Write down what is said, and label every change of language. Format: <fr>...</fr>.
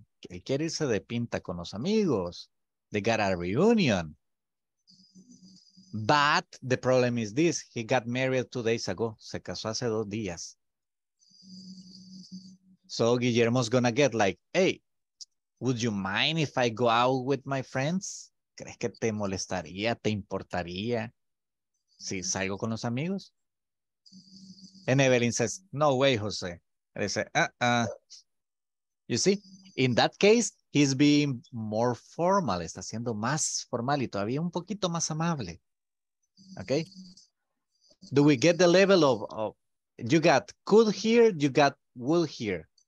<es>Él quiere irse de pinta con los amigos.</es> <en>They got a reunion. But the problem is this, he got married 2 days ago.</en> <es>Se casó hace 2 días.</es> <en>So Guillermo's gonna get like, hey, would you mind if I go out with my friends?</en> <es>¿Crees que te molestaría, te importaría si salgo con los amigos?</es> <en>And Evelyn says, no way, Jose. And I say, You see, in that case, he's being more formal.</en> <es>Está siendo más formal y todavía un poquito más amable.</es> <en>Okay. Do we get the level of you got could here, you got will here.</en>